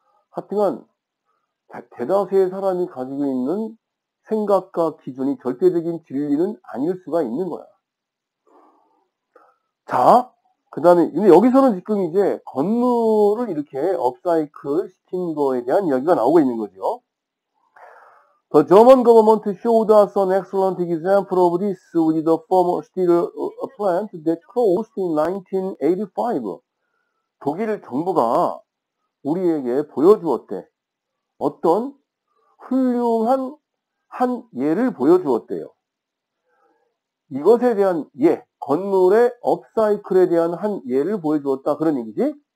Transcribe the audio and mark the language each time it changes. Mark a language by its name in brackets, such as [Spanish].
[Korean] 하여튼간 대다수의 사람이 가지고 있는 생각과 기준이 절대적인 진리는 아닐 수가 있는 거야. 자, 그 다음에 근데 여기서는 지금 이제 건물을 이렇게 업사이클 시킨 거에 대한 이야기가 나오고 있는 거죠. [English] The German government showed us an excellent example of this with the former steel plant that closed in 1985. [Korean] 독일 정부가 우리에게 보여주었대. 어떤 훌륭한 한 예를 보여주었대요. 이것에 대한 예, 건물의 업사이클에 대한 한 예를 보여주었다. 그런 얘기지?